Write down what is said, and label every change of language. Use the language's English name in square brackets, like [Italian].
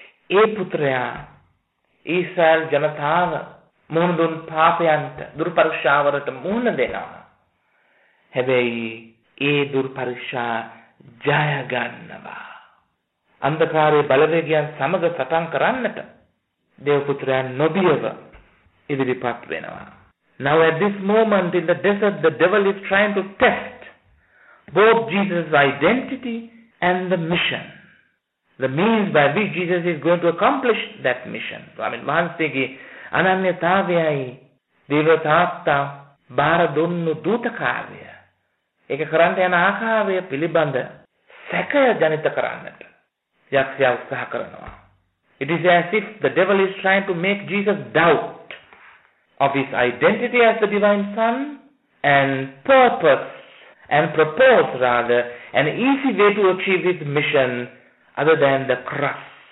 [Sinhala] ඒ පුත්‍රයා ඊශ්‍රායල් ජනතාව මුහුණ දුන් පාපයන්ට දුර්පරීක්ෂාවට මුහුණ දෙනවා. හැබැයි ඒ දුර්පරීක්ෂා ජය ගන්නවා. අන්ධකාරයේ බලවේගයන් සමග සටන් කරන්නට දේව පුත්‍රයා නොබියව ඉදිරිපත් වෙනවා. [English] Now at this moment in the desert, the devil is trying to test both Jesus' identity and the mission, the means by which Jesus is going to accomplish that mission. [Sinhala] ස්වාමීන් වහන්සේගේ අනන්‍යතාවයයි දේවතාත්තා බාර දුන්නු දූත කාර්යය, ඒක කරන්න යන ආකාරය පිළිබඳ සැකය ජනිත කරන්නට යක්ෂයා උත්සාහ කරනවා. [English] It is as if the devil is trying to make Jesus doubt of his identity as the divine son and purpose and propose rather an easy way to achieve his mission other than the cross.